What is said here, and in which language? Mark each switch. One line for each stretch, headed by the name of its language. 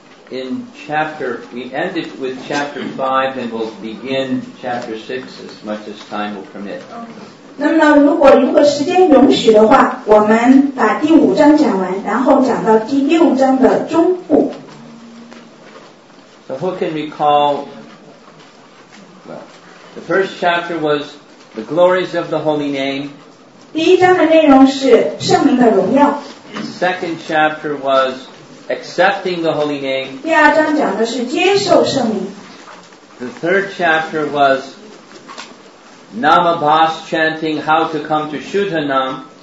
English: We ended with chapter 5 and we'll begin chapter 6 as much as time will permit.
Chinese: 那么呢如果时间允许的话，我们把第五章讲完，然后讲到第六章的中部。
English: So who can recall, the first chapter was the glories of the Holy Name.
Chinese: 第一章的内容是圣名的荣耀。
English: The second chapter was accepting the Holy Name.
Chinese: 第二章讲的是接受圣名。
English: The third chapter was Namabhas chanting how to come to Shuddhanam.